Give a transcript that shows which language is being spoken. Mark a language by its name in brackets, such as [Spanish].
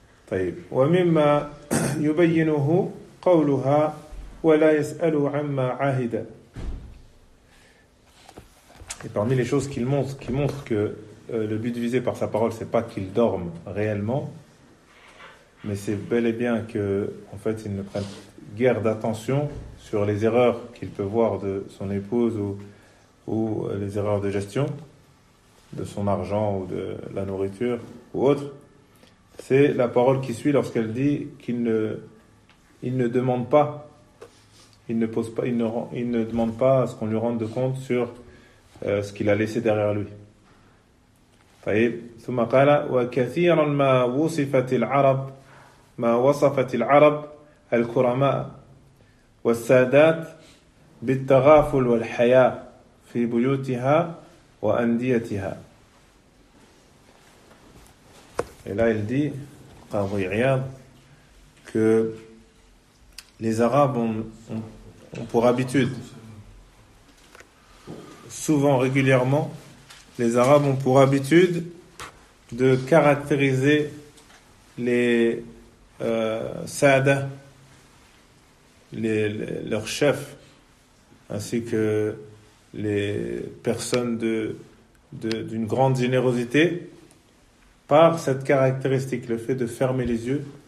[Arabic] طيب ومما يبينه قولها ولا يسأل عما عاهد. [French] Et parmi les choses qui montrent que le but visé par sa parole, c'est pas qu'il dorme réellement, mais c'est bel et bien que en fait il ne prenne guère d'attention sur les erreurs qu'il peut voir de son épouse ou les erreurs de gestion de son argent ou de la nourriture ou autre. C'est la parole qui suit lorsqu'elle dit qu'il ne demande pas Il ne pose pas, il ne demande pas à ce qu'on lui rende compte sur ce qu'il a laissé derrière lui. [Arabic] طيب ثم قال وكثيرا ما وصفت العرب ما وصفت العرب الكرماء والسادات بالتغافل والحياء في بيوتها وأنديتها. [French] Et là il dit, Qadhi Iyad, que les Arabes ont pour habitude, souvent, régulièrement, les Arabes ont pour habitude de caractériser les sadas, leurs chefs, ainsi que les personnes d'une grande générosité, par cette caractéristique, le fait de fermer les yeux